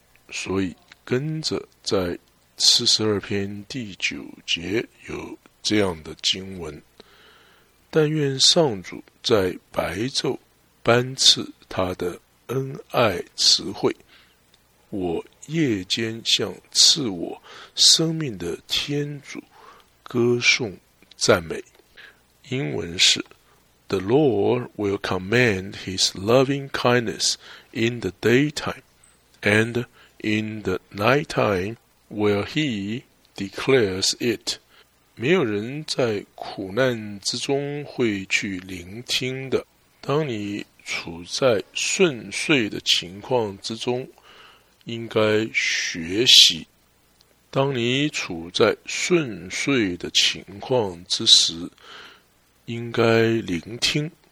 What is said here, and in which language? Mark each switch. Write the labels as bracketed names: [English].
[Chinese] 所以跟着在42篇第九节有这样的经文，但愿上主在白昼颁赐他的恩爱慈惠，我夜间向赐我生命的天主歌颂赞美。英文是 [English] The Lord will command his loving kindness in the daytime, and in the nighttime will he declare it. [Chinese] 没有人在苦难之中会去聆听的。当你处在顺遂的情况之中，应该学习。当你处在顺遂的情况之时，应该聆听。